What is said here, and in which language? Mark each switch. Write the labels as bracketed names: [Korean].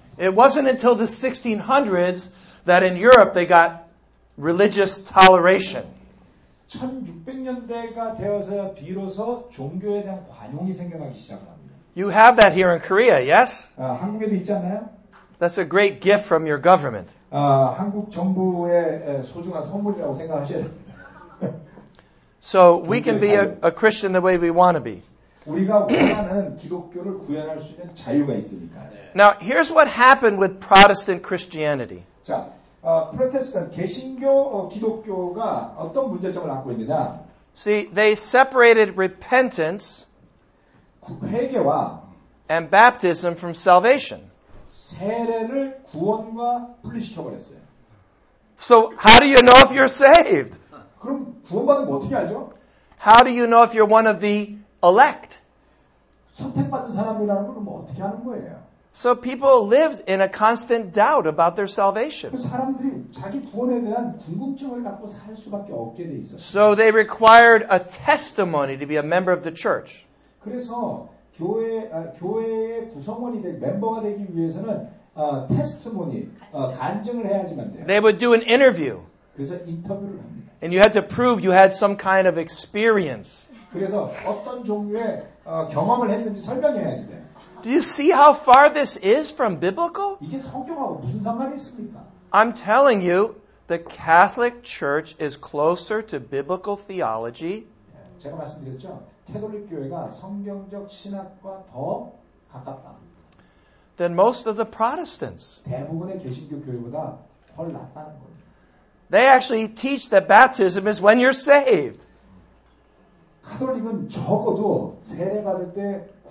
[English] It wasn't until the 1600s that in Europe they got religious toleration. [Korean] 1600년대가 되어서야 비로소 종교에 대한 관용이 생겨나기 시작합니다. [English] You have that here in Korea, yes? [Korean] 한국에도 있잖아요. [English] That's a great gift from your government. [Korean] 한국 정부의 소중한 선물이라고 생각하셔야 됩니다. [English] So we can be a Christian the way we want to be. [Korean] 우리가 원하는 기독교를 구현할 수 있는 자유가 있으니까. [English] Now, here's what happened with Protestant Christianity. [Korean] 자, 프로테스탄트 개신교 기독교가 어떤 문제점을 갖고 있느냐? [English] See, they separated repentance [Korean] 회개와 [English] and baptism from salvation. [Korean] 세례를 구원과 분리시켜 버렸어요. [English] So, how do you know if you're saved? [Korean] 그럼 구원받은 거 어떻게 알죠? [English] How do you know if you're one of the elect? [Korean] 선택받은 사람이라는 걸 뭐 어떻게 하는 거예요? [English] So people lived in a constant doubt about their salvation. [Korean] 사람들이 자기 구원에 대한 궁금증을 갖고 살 수밖에 없게 돼 있었어요. [English] So they required a testimony to be a member of the church. [Korean] 그래서 교회의 구성원이 될 멤버가 되기 위해서는 testimony, 간증을 해야지만 돼요. [English] They would do an interview. [Korean] 그래서 인터뷰를 합니다. [English] And you had to prove you had some kind of experience. [Korean] 그래서 어떤 종류의 경험을 했는지 설명해야지 돼요. [English] Do you see how far this is from biblical? [Korean] 이게 성경하고 무슨 상관이 있습니까? [English] I'm telling you, the Catholic Church is closer to biblical theology. [Korean] 제가 말씀드렸죠. 가톨릭 교회가 성경적 신학과 더 가깝다. [English] Than most of the Protestants. [Korean] 대부분의 개신교 교회보다 훨 낫다는 겁니다. [English] They actually teach that baptism is when you're saved. [Korean] 가톨릭은 적어도 세례 받을 때